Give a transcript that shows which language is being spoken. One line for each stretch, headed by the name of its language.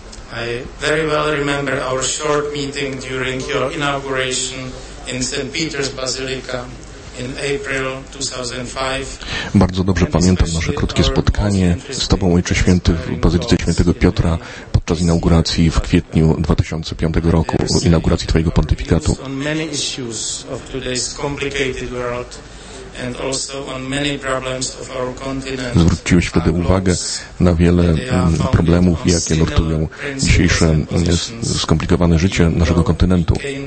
English: I very well remember our short meeting during your inauguration in St. Peter's Basilica in April 2005.
Polish: Bardzo dobrze pamiętam nasze krótkie spotkanie z Tobą, Ojcze Święty, w Bazylice Świętego Piotra podczas inauguracji w kwietniu 2005 roku, inauguracji Twojego pontyfikatu.
English: On many issues of today's complicated world and also on many problems of our continent.
Polish: Zwróciłeś wtedy uwagę na wiele problemów, jakie nurtują dzisiejsze skomplikowane życie naszego kontynentu.